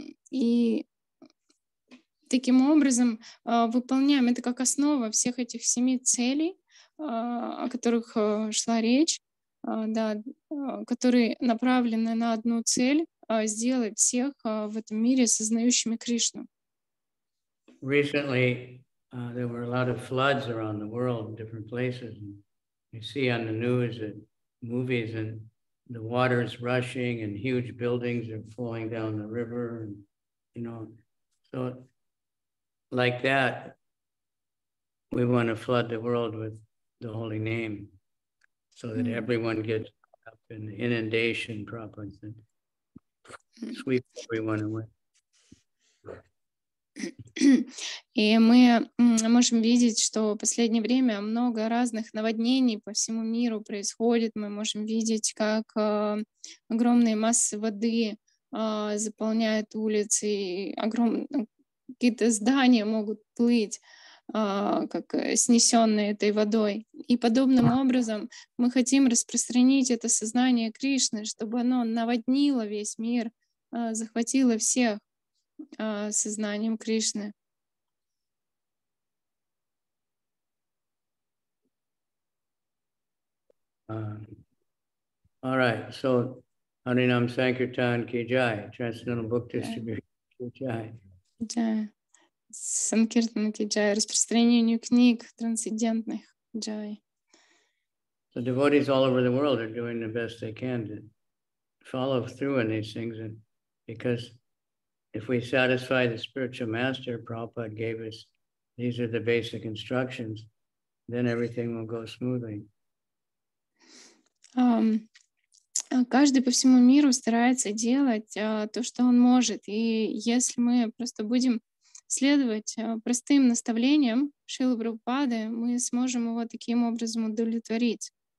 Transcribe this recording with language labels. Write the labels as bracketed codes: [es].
[ru] И таким образом выполняем это как основа всех этих семи целей, о которых шла речь, да, которые направлены на одну цель — сделать всех в этом мире сознающими Кришну. [en] Recently, there were a lot of floods around the world in different places. And you see on the news and movies, and the water is rushing, and huge buildings are falling down the river. And, you know, so like that, we want to flood the world with the holy name so that everyone gets up in the inundation problems and sweep everyone away. [ru] И мы можем видеть, что в последнее время много разных наводнений по всему миру происходит. Мы можем видеть, как огромные массы воды заполняют улицы, и какие-то здания могут плыть, как снесенные этой водой. И подобным образом мы хотим распространить это сознание Кришны, чтобы оно наводнило весь мир, захватило всех. Сознанием Кришны. [en] All right, so Harinam Sankirtan Ki Jai, Transcendental Book Distribution [hi] Ki Jai. Ki Jai, [ru] распространению книг трансцендентных Jai. [en] So devotees all over the world are doing the best they can to follow through on these things, and because if we satisfy the spiritual master Prabhupada gave us, these are the basic instructions, then everything will go smoothly. [ru] Каждый по всему миру старается делать то, что он может. И если мы просто будем следовать простым наставлениям Шрилы Прабхупады, мы сможем его таким образом удовлетворить.